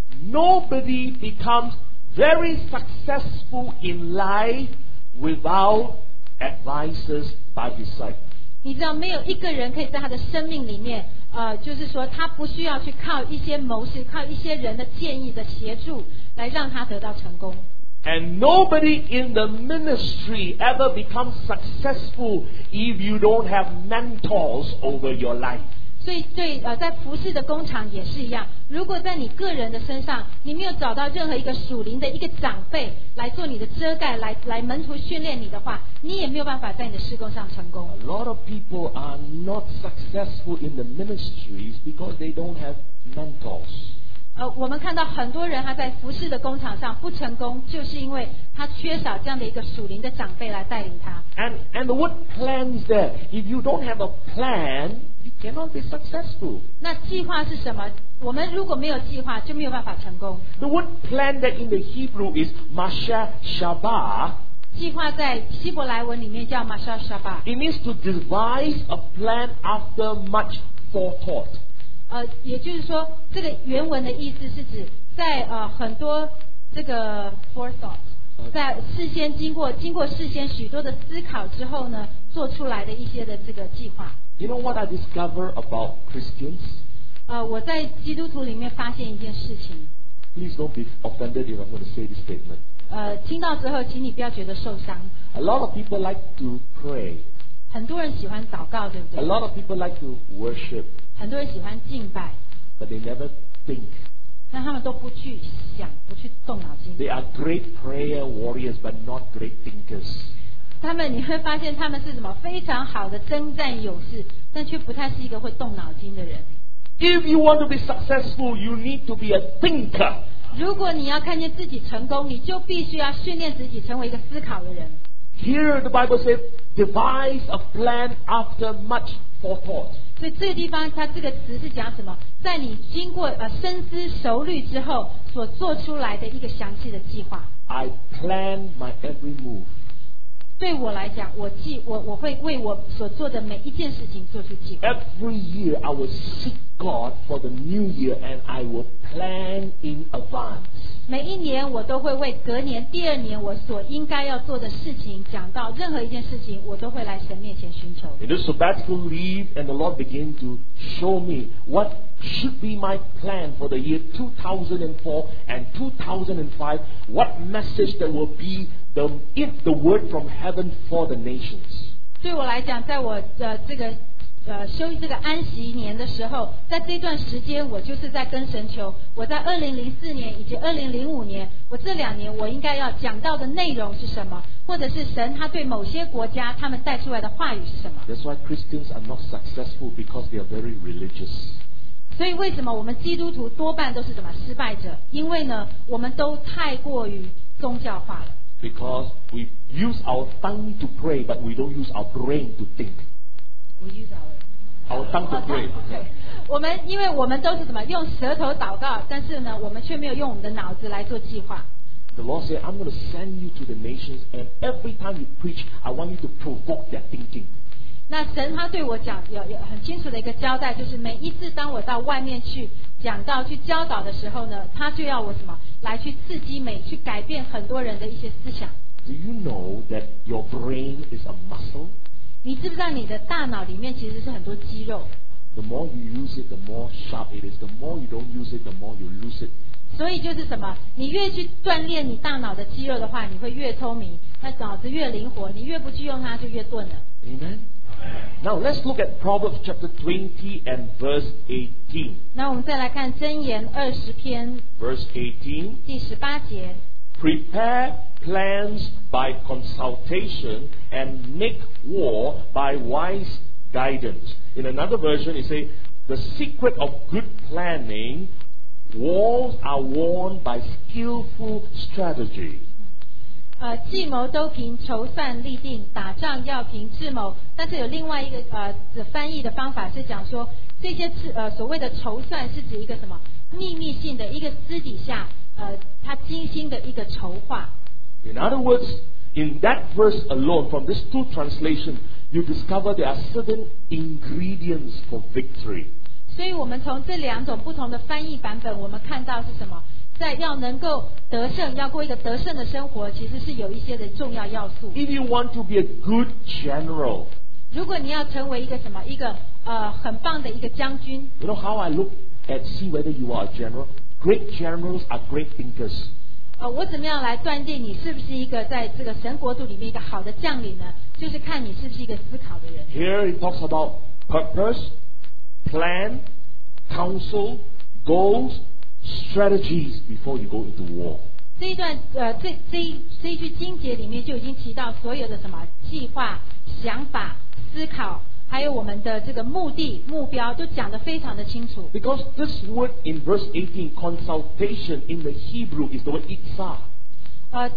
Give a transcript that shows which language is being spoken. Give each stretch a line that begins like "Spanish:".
English: Nobody becomes very successful in life without advisors by his side.
Chinese: 你知道没有一个人可以在他的生命里面，就是说他不需要去靠一些谋士，靠一些人的建议的协助来让他得到成功。
English: And nobody in the ministry ever becomes successful if you don't have mentors over your life.
Chinese: 所以对，在服事的工厂也是一样，如果在你个人的身上，你没有找到任何一个属灵的一个长辈来做你的遮盖，来门徒训练你的话，你也没有办法在你的事工上成功。
English: A lot of people are not successful in the ministries because they don't have mentors.
Chinese: 我们看到很多人他在服事的工厂上不成功，就是因为他缺少这样的一个属灵的长辈来带领他。
English: And the word plan is there. If you don't have a plan, you cannot be successful.
Chinese: 那计划是什么？我们如果没有计划，就没有办法成功。
English: The word plan that in the Hebrew is Masha Shabbat.
Chinese: 计划在希伯来文里面叫 Masha Shabbat.
English: It means to devise a plan after much forethought.
Chinese: 也就是说这个原文的意思是指在很多这个 forethought 在事先经过事先许多的思考之后呢做出来的一些的这个计划。
English: You know what I discover about Christians?
Chinese: 我在基督徒里面发现一件事情。
English: Please don't be offended if I'm going to say this statement.
Chinese: 听到之后请你不要觉得受伤。
English: A lot of people like to pray.
Chinese: 很多人喜欢祷告对不对？
English: A lot of people like to worship.
Chinese: 很多人喜欢敬拜
English: but they never think.
Chinese: 但他们都不去想不去动脑筋
English: They are great prayer warriors but not great thinkers.
Chinese: 他们你会发现他们是什么非常好的征战勇士但却不太是一个会动脑筋的人
English: If you want to be successful you need to be a thinker.
Chinese: 如果你要看见自己成功你就必须要训练自己成为一个思考的人
English: Here the Bible says devise a plan after much forethought.
Chinese: 所以这个地方它这个词是讲什么在你经过深思熟虑之后所做出来的一个详细的计划
English: I plan my every move
Chinese: 对我来讲 我会为我所做的每一件事情做出计划
English: Every year I will seek God for the new year and I will plan in advance
Chinese: 每一年我都会为隔年第二年我所应该要做的事情讲到任何一件事情我都会来神面前寻求
English: In this sabbatical leave and the Lord began to show me what should be my plan for the year 2004 and 2005 what message that will be the word from heaven for the nations
Chinese: 对我来讲在我的这个休息这个安息年的时候在这段时间我就是在跟神求我在2004年以及2005年我这两年我应该要讲到的内容是什么或者是神他对某些国家他们带出来的话语是什么
English: That's why Christians are not successful because they are very religious
Chinese: 所以为什么我们基督徒多半都是什么失败者因为呢我们都太过于宗教化了
English: Because we use our tongue to pray but we don't use our brain to thinkOur tongue to pray.
Chinese: 我们因为我们都是怎么用舌头祷告，但是呢，我们却没有用我们的脑子来做计划。
English: The Lord said, "I'm going to send you to the nations, and every time you preach, I want you to provoke their thinking."
Chinese: 那神他对我讲有很清楚的一个交代，就是每一次当我到外面去讲到去教导的时候呢，他就要我什么来去刺激美，去改变很多人的一些思想。
English: Do you know that your brain is a muscle?
Chinese: 你知不知道你的大脑里面其实是很多肌肉
English: The more you use it, the more sharp it is. The more you don't use it, the more you lose it.
Chinese: 所以就是什么你越去锻炼你大脑的肌肉的话你会越聪明那脑子越灵活你越不去用它就越钝了
English: Amen. Now let's look at Proverbs chapter 20 and verse 18.
Chinese: 那我们再来看箴言二十篇
English: Verse 18.
Chinese: 第十八节
English: Prepare plans by consultation and make war by wise guidance. In another version, it says, the secret of good planning, wars are won by skillful strategy.
Chinese: 计谋都凭筹算立定，打仗要凭智谋。但是有另外一个的翻译的方法是讲说，这些所谓的筹算是指一个什么秘密性的一个私底下他精心的一个筹划。
English: In other words,In that verse alone, from these two translations, you discover there are certain ingredients for victory.
Chinese: 所以我们从这两种不同的翻译版本，我们看到是什么？在要能够得胜，要过一个得胜的生活，其实是有一些的重要要素。
English: If you want to be a good general,
Chinese: 如果你要成为一个什么，一个很棒的一个将军。
English: You know how I look at see whether you are a general? Great generals are great thinkers.
Chinese: 我怎么样来断定你是不是一个在这个神国度里面一个好的将领呢？就是看你是不是一个思考的人。
English: Here it talks about purpose, plan, counsel, goals. Strategies before you go into war.
Chinese: 这一段这一句经节里面就已经提到所有的什么计划、想法、思考，还有我们的这个目的、目标，都讲得非常的清楚。
English: Because this word in verse 18, consultation in the Hebrew is the word itza.